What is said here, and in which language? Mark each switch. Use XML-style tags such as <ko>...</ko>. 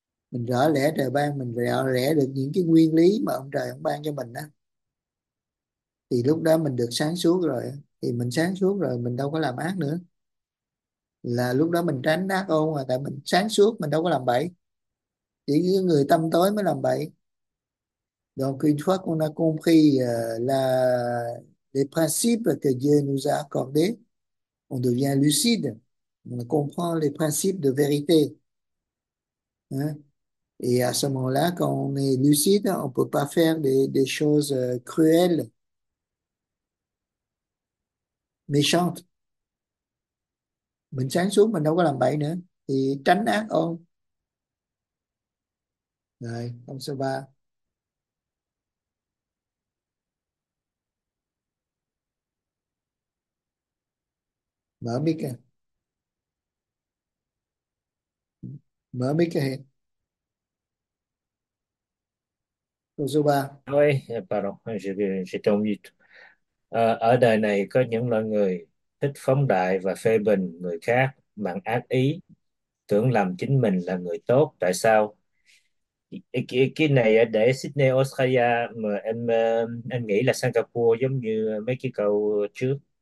<vi>Mình rõ lẽ trời ban, mình rõ lẽ được những cái nguyên lý mà ông trời ông ban cho mình đó, thì lúc đó mình được sáng suốt rồi. Thì mình sáng suốt rồi, mình đâu có làm ác nữa, là lúc đó mình tránh ác ôn, mà tại mình sáng suốt mình đâu có làm bậy. Chỉ những người tâm tối mới làm bậy.</vi> <fr>Donc une fois qu'on a compris là les principes que Dieu nous a accordés, on devient lucide, on comprend les principes de vérité. Hein? Et à ce moment-là, quand on est lucide, on peut pas faire des choses cruelles, méchantes.</fr> <vi>Mình sáng suốt, mình đâu có làm bậy nữa. Thì tránh ác ôn. Rồi, câu số 3. Mở mic kìa. Mở mic kìa. Câu số 3.</vi> <fr>Thôi, pardon, j'étais en mute.</fr> <vi>Ở đời này có những loại người thích phóng đại và phê bình người khác bằng ác ý, tưởng làm chính mình là người tốt. Tại sao? Cái này để Sydney, Australia mà em nghĩ là Singapore giống như mấy cái câu trước.</vi>